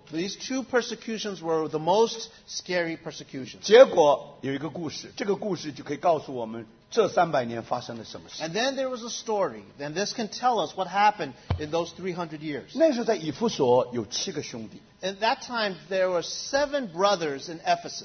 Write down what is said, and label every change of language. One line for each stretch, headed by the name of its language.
English: These two persecutions were the most scary persecutions.
Chinese: 结果有一个故事, 这个故事就可以告诉我们, 这300年发生了什么事?
English: And then there was a story, and this can tell us what happened in those 300 years.
Chinese: 那时候在以弗所有七个兄弟。
English: At that time, there were 7 brothers in Ephesus.